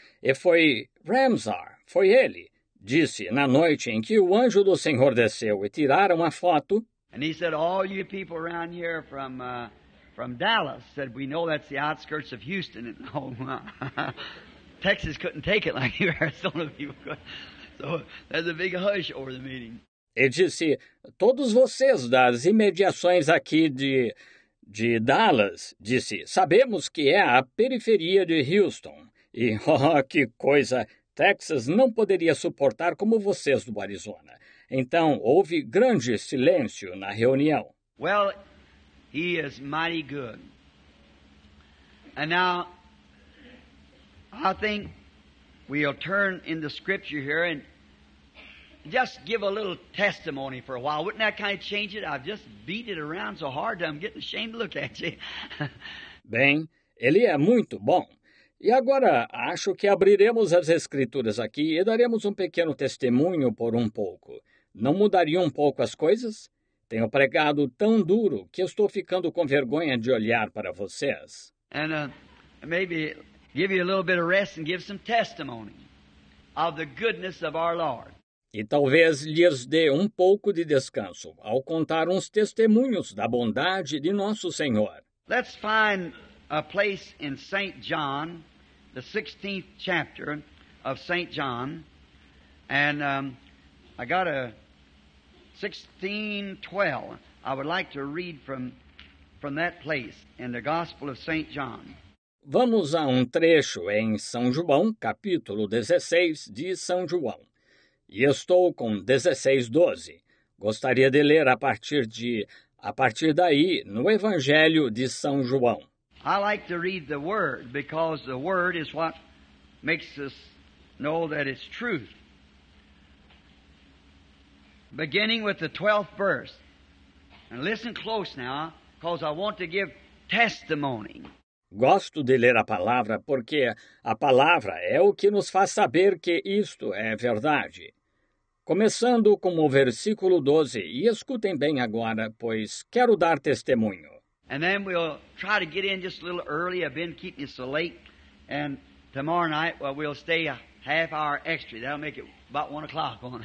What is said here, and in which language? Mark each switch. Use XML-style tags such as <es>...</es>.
<pt>E foi Ramsar, foi ele, disse, na noite em que o anjo do Senhor desceu e tiraram a foto.</pt> <en>And he said, all you people around here from Dallas said, we know that's the outskirts of Houston. And, oh, Texas couldn't take it like you Arizona people could. So there's a big hush over the meeting.</en> <pt>E disse, todos vocês das imediações aqui de Dallas, disse, sabemos que é a periferia de Houston. E, oh, que coisa, Texas não poderia suportar como vocês do Arizona. Então, houve grande silêncio na reunião.</pt> <en>Well, he is mighty good. And now, I think we'll turn in the scripture here and just give a little testimony for a while. Wouldn't that kind of change it? I've just beat it around so hard that I'm getting ashamed to look at you.</en> <pt>Bem, ele é muito bom. E agora, acho que abriremos as Escrituras aqui e daremos um pequeno testemunho por um pouco. Não mudariam um pouco as coisas? Tenho pregado tão duro que estou ficando com vergonha de olhar para vocês.</pt> <en>And maybe give you a little bit of rest and give some testimony of the goodness of our Lord.</en> <pt>E talvez lhes dê um pouco de descanso ao contar uns testemunhos da bondade de nosso Senhor.</pt> <en>Let's find a place in St. John, the 16th chapter of St. John, and I got a 16:12. I would like to read from that place in the Gospel of St. John.</en> <pt>Vamos a um trecho em São João, capítulo 16 de São João. E estou com 16:12. Gostaria de ler a partir daí no Evangelho de São João.</pt> <en>I like to read the Word, because the Word is what makes us know that it's truth. Beginning with the 12th verse. And listen close now, because I want to give testimony.</en> <pt>Gosto de ler a palavra, porque a palavra é o que nos faz saber que isto é verdade. Começando com o versículo 12, e escutem bem agora, pois quero dar testemunho.</pt> <en>And then we'll try to get in just a little early. I've been keeping you so late. And tomorrow night, well, we'll stay a half hour extra. That'll make it about 1 o'clock.</en>